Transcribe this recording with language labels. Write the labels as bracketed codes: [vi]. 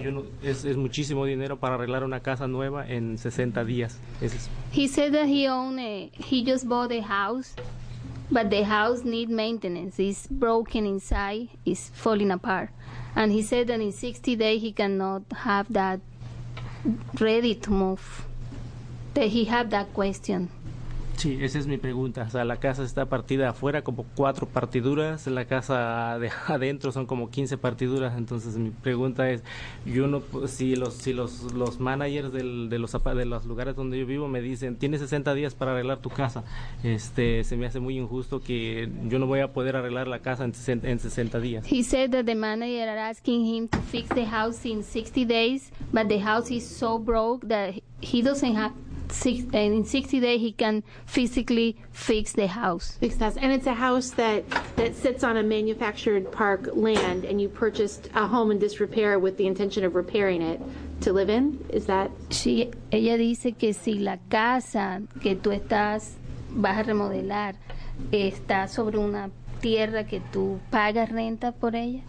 [es] Yo no, es muchísimo dinero para arreglar una casa nueva en 60 días. Es eso. [en] He said that he just bought a house, but the house needs maintenance. It's broken inside, it's falling apart. And he said that in 60 days he cannot have that ready to move. That he have that question. [es] Sí, esa es mi pregunta. O sea, la casa está partida afuera como 4 partiduras, la casa de adentro son como 15 partiduras. Entonces mi pregunta es, yo no, si los managers de los lugares donde yo vivo me dicen tienes 60 días para arreglar tu casa, se me hace muy injusto que yo no voy a poder arreglar la casa en 60 días. [en] He said that the manager are asking him to fix the house in 60 days, but the house is so broke that he doesn't have. And in 60 days, he can physically fix the house. And it's a house that sits on a manufactured park land, and you purchased a home in disrepair with the intention of repairing it to live in? Is that? [es] Ella dice que si la casa que tú estás vas a remodelar está sobre una tierra que tú pagas renta por ella.